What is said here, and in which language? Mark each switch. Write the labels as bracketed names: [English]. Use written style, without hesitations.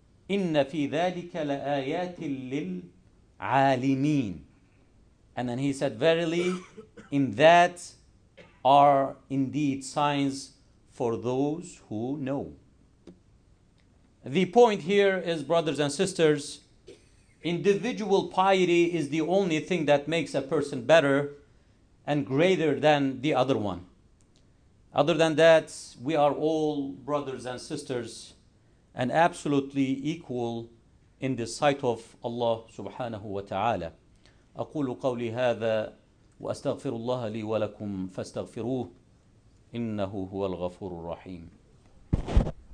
[Arabic] إن في ذلك لآيات للعالمين. [English] And then he said, verily, in that are indeed signs for those who know. The point here is, brothers and sisters, individual piety is the only thing that makes a person better and greater than the other one. Other than that, we are all brothers and sisters and absolutely equal in the sight of Allah subhanahu wa ta'ala. [Arabic] أقول قولي هذا وأستغفر الله لي ولكم فاستغفروه إنه هو الغفور الرحيم.